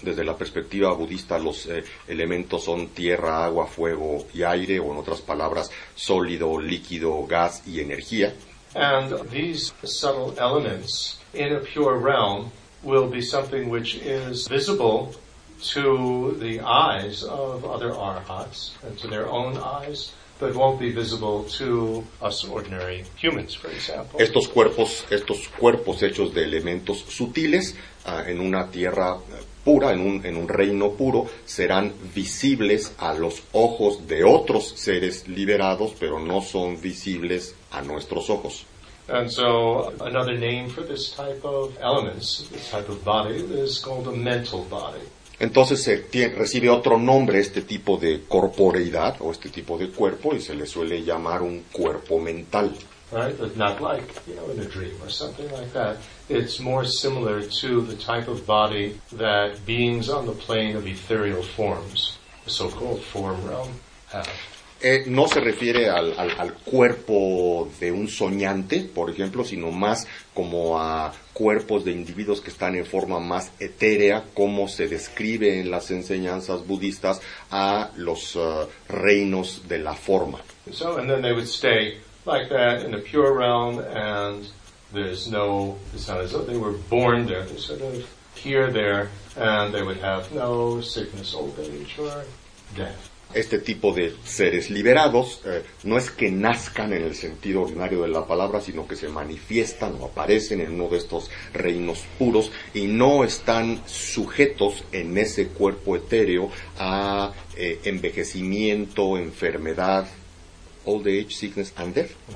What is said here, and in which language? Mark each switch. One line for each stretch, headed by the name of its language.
Spanish: Desde la perspectiva budista, los elementos son tierra, agua, fuego y aire, o en otras palabras, sólido, líquido, gas y energía.
English: And these subtle elements in a pure realm will be something which is visible to the eyes of other arhats and to their own eyes, that won't be visible to us ordinary humans, for example.
Spanish: Estos cuerpos hechos de elementos sutiles en una tierra pura, en un reino puro, serán visibles a los ojos de otros seres liberados, pero no son visibles a nuestros ojos.
English: And so another name for this type of elements, this type of body, is called a mental body.
Spanish: Entonces recibe otro nombre este tipo de corporeidad o este tipo de cuerpo y se le suele llamar un cuerpo mental.
English: Right, but not like, in a dream or something like that. It's more similar to the type of body that beings on the plane of ethereal forms, the so-called form realm, have.
Spanish: No se refiere al cuerpo de un soñante, por ejemplo, sino más como a cuerpos de individuos que están en forma más etérea, como se describe en las enseñanzas budistas a los reinos de la forma.
English: So, and then they would stay like that in a pure realm, and there's no, it's not as though they were born there, they're sort of here, there, and they would have no sickness, old age, or death.
Spanish: Este tipo de seres liberados no es que nazcan en el sentido ordinario de la palabra, sino que se manifiestan o aparecen en uno de estos reinos puros y no están sujetos en ese cuerpo etéreo a envejecimiento, enfermedad,
English: old age, sickness and death.